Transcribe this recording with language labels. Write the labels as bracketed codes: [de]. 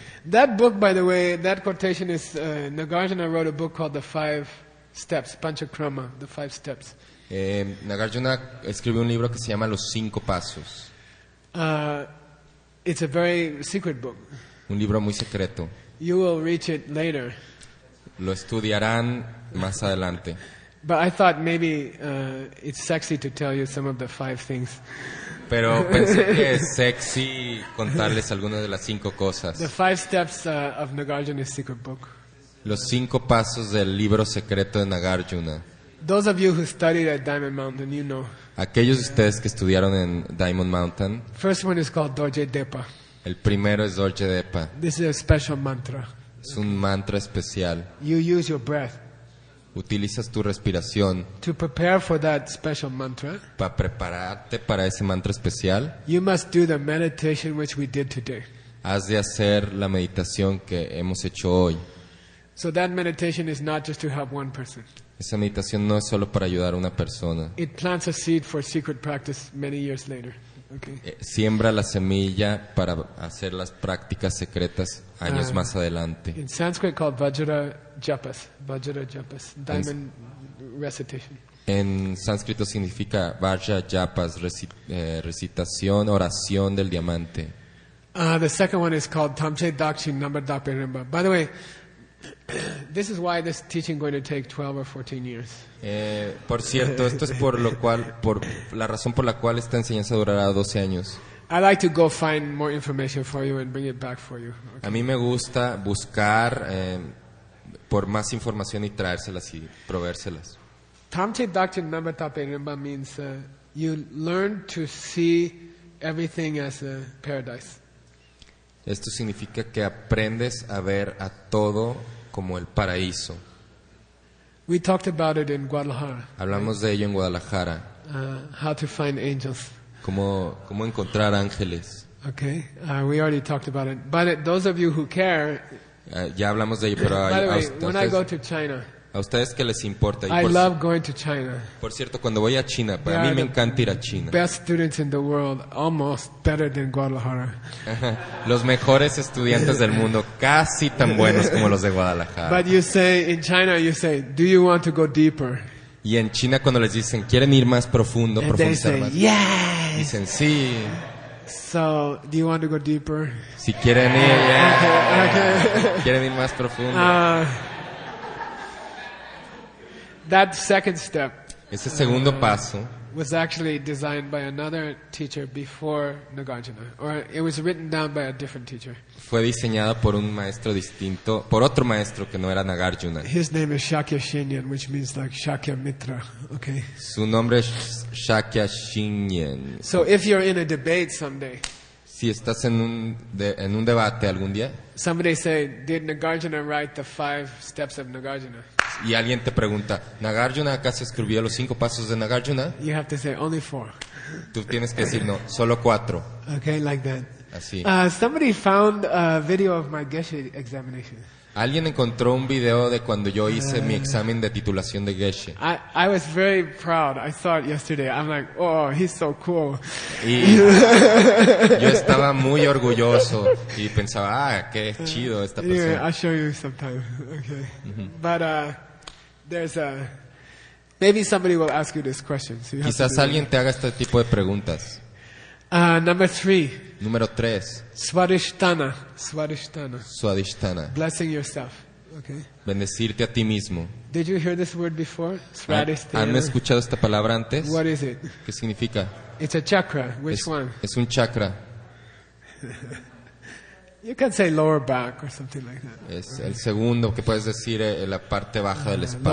[en] That book, by the way, that quotation is Nagarjuna wrote a book called The 5 Steps, Panchakrama, The 5 Steps. [es] Nagarjuna escribió un libro que se llama Los 5 Pasos. [en] It's a very secret book. [es] Un libro muy secreto. [en] You will reach it later. [es] Lo estudiarán más adelante. [en] But I thought maybe it's sexy to tell you some of the 5 things. [es] Pero pensé que es sexy contarles algunas de las 5 cosas. [en] The 5 steps of Nagarjuna's secret book. [es] Los 5 pasos del libro secreto de Nagarjuna. [en] Those of you who studied at Diamond Mountain, you know. [es] Aquellos de ustedes que estudiaron en Diamond Mountain. [en] First one is called Dorje Depa. [es] El primero es Dorje Depa. [en] This is a special mantra. [es] Es un mantra especial. [en] You use your breath. [es] Utilizas tu respiración. [en] To prepare for that special mantra. [es] Para prepararte para ese mantra especial. [en] You must do the meditation which we did today. [es] Has de hacer la meditación que hemos hecho hoy. [en] So that meditation is not just to help one person. [es] Esa meditación no es solo para ayudar a una persona. [en] It plants a seed for secret practice many years later. Okay. [es] Siembra la semilla para hacer las prácticas secretas años más adelante. [en] In Sanskrit called vajra japas, diamond recitation. [es] En sánscrito significa vajra japas, recitación, oración del diamante. [en] The second one is called tamche dakshi number dakpe rimba. By the way, this is why this teaching is going to take 12 or 14 years. [es] Por cierto, esto es por lo cual, por la razón por la cual esta enseñanza durará 12 años. [en] I'd like to go find more information for you and bring it back for you. [es] Okay. A mí me gusta buscar por más información y traérselas y proveérselas. [en] Tamche Dakchen Namba Tapa Rinpa means you learn to see everything as a paradise. [es] Esto significa que aprendes a ver a todo como el paraíso. [en] We talked about it in Guadalajara. [es] Hablamos de ello en Guadalajara. [en] How to find angels. [es] Cómo encontrar ángeles. [en] Okay, we already talked about it. But those of you who care. [es] Ya hablamos de ello, pero [en] by the way, when I go to China. [es] A ustedes qué les importa. [en] I love going to China. [es] Por cierto, cuando voy a China, para mí me encanta ir a China. [en] Best students in the world, almost better than Guadalajara. [es] Los mejores estudiantes del mundo, casi tan buenos como los de Guadalajara. [en] But you say in China, you say, do you want to go deeper? [es] Y en China cuando les dicen quieren ir más profundo, [en] and [es] profundizar [en] they say, [es] más, [en] yes. [es] Dicen sí. [en] So, do you want to go deeper? [es] Si quieren ir, yeah. Okay. Quieren ir más profundo. [en] That second step [es] ese segundo paso, [en] was actually designed by another teacher before Nagarjuna, or it was written down by a different teacher. [es] Fue diseñado por un maestro distinto, por otro maestro que no era Nagarjuna. [en] His name is Shakya Shinyan, which means like Shakya Mitra. Okay. [es] Su nombre es Shakya Shinyan. [en] So if you're in a debate someday, [es] si estás en un debate algún día, [en] somebody say, did Nagarjuna write the five steps of Nagarjuna? [es] Y alguien te pregunta, ¿Nagarjuna acaso escribió los cinco pasos de Nagarjuna? [en] You have to say, only four. [es] Tú tienes que decir, no, solo cuatro. [en] Okay, like that. [es] Así. [en] Somebody found a video of my Geshe examination. [es] Alguien encontró un video de cuando yo hice mi examen de titulación de Geshe. [en] I was very proud. I saw it yesterday. I'm like, oh, he's so cool. [es] Y yo estaba muy orgulloso y pensaba, ah, qué chido esta persona. [en] Anyway, I'll show you sometime. Okay. Mm-hmm. But there's a maybe somebody will ask you this question. So you [es] quizás alguien te haga este tipo de preguntas. [en] Number three. [es] Número tres. [sa] Swadhisthana. Swadhisthana. Swadhisthana. [en] Blessing yourself. Okay. [es] Bendecirte a ti mismo. [en] Did you hear this word before? Swadhisthana. [es] ¿Han escuchado esta palabra antes? [en] What is it? [es] ¿Qué significa? [en] It's a chakra. Which one? [es] Es un chakra. [en] You can say lower back or something like that. [es] Es el segundo, que puedes decir la parte baja de la espalda.